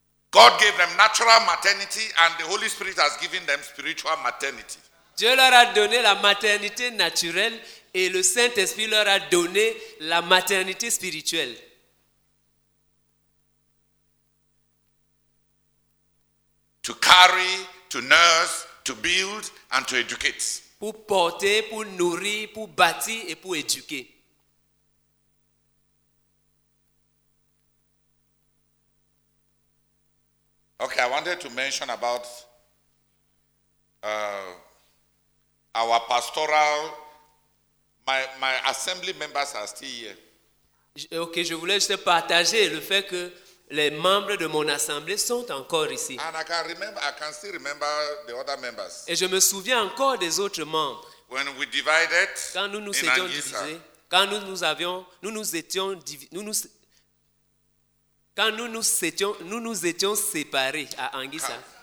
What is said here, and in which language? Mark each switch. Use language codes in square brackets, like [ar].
[en] God gave them natural maternity and the Holy Spirit has given them spiritual maternity. [fr] Dieu leur a donné la maternité naturelle et le Saint-Esprit leur a donné la maternité spirituelle. [en] To carry, to nurse, to build and to educate. [fr] Pour porter, pour nourrir, pour bâtir et pour éduquer. [en] Okay, I wanted to mention about our pastoral. My assembly members are still here. [fr] Okay, je voulais juste partager le fait que les membres de mon assemblée sont encore ici. [en] And I can still remember the other members. [fr] Et je me souviens encore des autres membres. [en] When we divided, [fr] quand nous nous étions divisés, quand nous étions séparés à Anguissa.